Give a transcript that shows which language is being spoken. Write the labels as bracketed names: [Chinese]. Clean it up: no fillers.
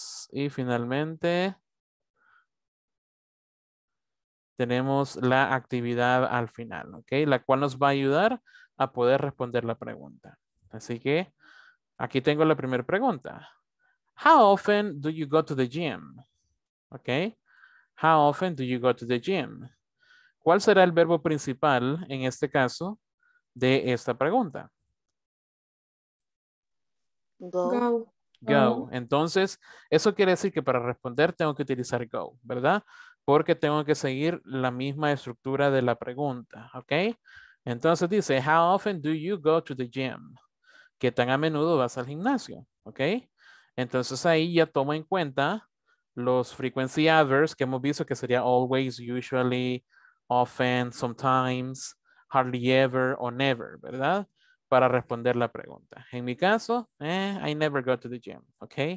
[Spanish] Y finalmente tenemos la actividad al final, ¿ok? La cual nos va a ayudar a poder responder la pregunta. Así que aquí tengo la primera pregunta. [English] How often do you go to the gym? [Spanish] ¿Ok? [English] How often do you go to the gym? [Spanish] ¿Cuál será el verbo principal en este caso de esta pregunta? [English] Go. [Spanish] Entonces, eso quiere decir que para responder tengo que utilizar go, ¿verdad? porque tengo que seguir la misma estructura de la pregunta, ¿ok? Entonces dice, [English] how often do you go to the gym? [Spanish] ¿Qué tan a menudo vas al gimnasio? ¿Ok? Entonces ahí ya tomo en cuenta los frequency adverbs que hemos visto, que sería always, usually, often, sometimes, hardly ever, o never, ¿verdad? Para responder la pregunta. En mi caso, [English] I never go to the gym, [Spanish] ¿ok?